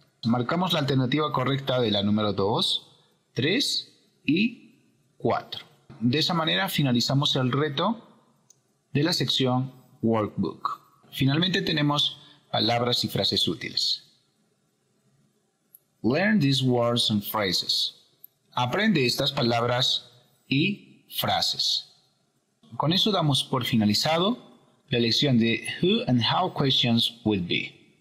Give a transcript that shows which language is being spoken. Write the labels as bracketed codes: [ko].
[es] Marcamos la alternativa correcta de la número 2, 3 y 4. De esa manera finalizamos el reto de la sección Workbook. Finalmente tenemos palabras y frases útiles. [en] Learn these words and phrases. [es] Aprende estas palabras y frases. Con eso damos por finalizado la lección de Who and How Questions Would Be.